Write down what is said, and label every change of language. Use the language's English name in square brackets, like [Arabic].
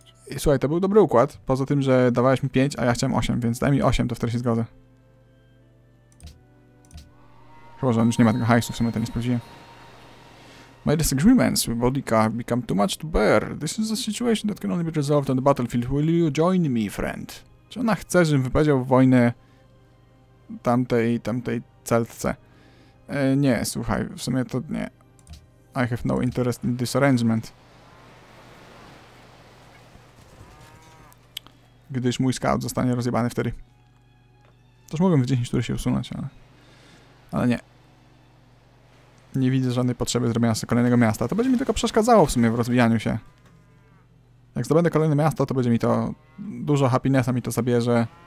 [Polish] I słuchaj, to był dobry układ, poza tym, że dawałeś mi 5, a ja chciałem 8, więc daj mi 8, to wtedy się zgodzę. Chyba, że on już nie ma tego hajsu, w sumie to nie sprawdziłem. [English] My disagreements with Bodica have become too much to bear. This is a situation that can only be resolved on the battlefield. Will you join me, friend? [Polish] Czy ona chce, żebym wypowiedział wojnę tamtej celtce? Nie, słuchaj, w sumie to nie. [English] I have no interest in this arrangement. [Polish] Gdyż mój scout zostanie rozjebany wtedy. Toż mogłem w 10 tury się usunąć, ale... Ale nie. Nie widzę żadnej potrzeby zrobienia sobie kolejnego miasta. To będzie mi tylko przeszkadzało w sumie w rozwijaniu się. Jak zdobędę kolejne miasto, to będzie mi to... Dużo happinessa mi to zabierze.